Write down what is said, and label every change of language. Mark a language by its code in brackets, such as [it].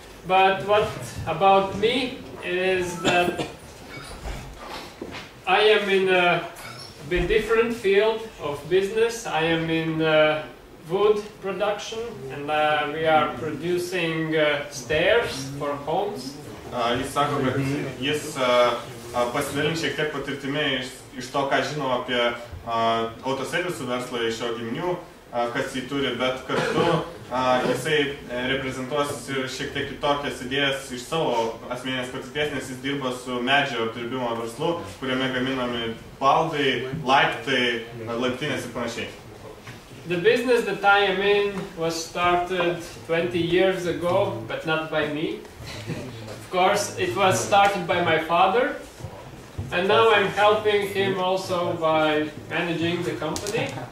[en] But what about me is that I am in a bit different field of business. I am in wood production, and we are producing stairs for homes. [lt] Jis sako, kad jis pasidalins šiek tiek patirtimi iš to, ką žino apie autoservisų verslą iš jo giminių, kas jį turi, bet kartu jisai reprezentuos ir šiek tiek kitokias idėjas iš savo asmeninės patirties, nes jis dirba su medžio apdirbimo verslu, kuriame gaminami baldai, laiptai, laiptinės ir panašiai. [en] The business that I am in was started 20 years ago, but not by me. Of course, it was started by my father, and now I'm helping him also by managing the company.